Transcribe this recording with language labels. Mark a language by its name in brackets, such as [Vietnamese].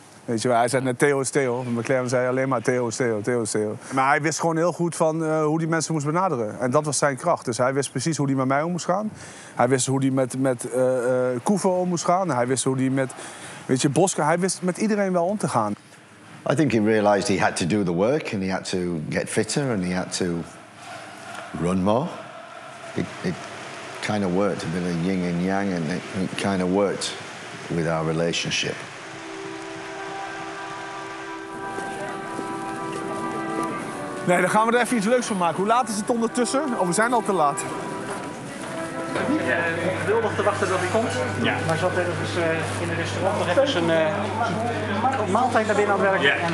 [Dutch] Weet je, hij zei net Theo is Theo. McLaren zei alleen maar Theo is Theo, Theo is Theo. Maar hij wist gewoon heel goed van hoe die mensen moest benaderen. En dat was zijn kracht. Dus hij wist precies hoe hij met mij om moest gaan. Hij wist hoe hij met Koeven om moest gaan. Hij wist hoe hij met, weet je, Bosca. Hij wist met iedereen wel om te gaan. [English] I think he realized he had to do the work and he had to get fitter and he had to run more. It kind of worked, a bit of yin and yang, and it kind of worked with our relationship. [Dutch] Nee, dan gaan we er even iets leuks van maken. Hoe laat is het ondertussen? Of we zijn al te laat. Geduldig te wachten dat hij komt. Ja. Maar zat ergens in een restaurant. Nog even zijn maaltijd naar binnen aan het werken. Yeah.